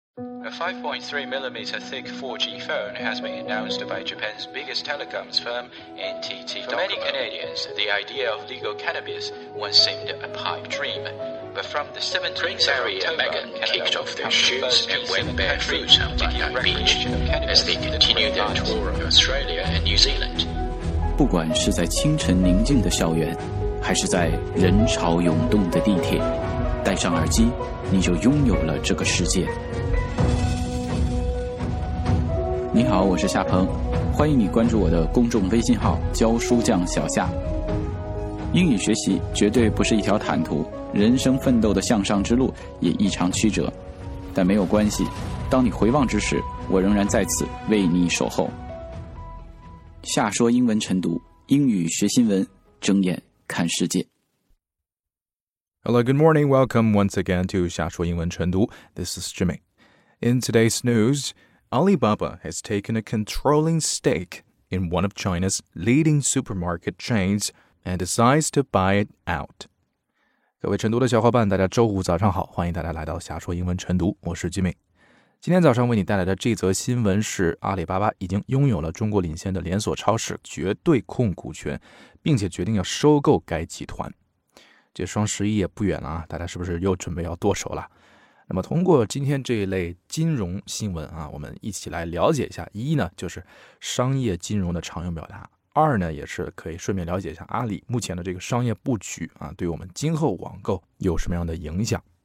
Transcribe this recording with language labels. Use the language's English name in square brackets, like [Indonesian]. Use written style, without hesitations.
[English] A 5.3mm thick 4G phone has been announced by Japan's biggest telecoms firm, NTT Docomo. For many Canadians, the idea of legal cannabis once seemed a pipe dream. But from the 17th of October, Megan kicked off their shoes and went barefoot on Bondi Beach as they continued their tour of Australia and New Zealand. [Chinese] 不管是在清晨宁静的校园，还是在人潮涌动的地铁，戴上耳机，你就拥有了这个世界。你好，我是夏鹏，欢迎你关注我的公众微信号“教书匠小夏”。英语学习绝对不是一条坦途，人生奋斗的向上之路也异常曲折，但没有关系，当你回望之时，我仍然在此为你守候。夏说英文晨读，英语学新闻，睁眼看世界。 [English] Hello, good morning. Welcome once again to 夏说英文晨读。 This is Jimmy. In today's news, Alibaba has taken a controlling stake in one of China's leading supermarket chains and decides to buy it out. [Chinese] 各位晨读的小伙伴，大家周五早上好，欢迎大家来到夏说英文晨读，我是 Jimmy。今天早上为你带来的这则新闻是，阿里巴巴已经拥有了中国领先的连锁超市绝对控股权，并且决定要收购该集团。这双十一也不远了，大家是不是又准备要剁手了？那么通过今天这一类金融新闻啊，我们一起来了解一下，一呢就是商业金融的常用表达，二呢也是可以顺便了解一下阿里目前的这个商业布局啊，对我们今后网购有什么样的影响。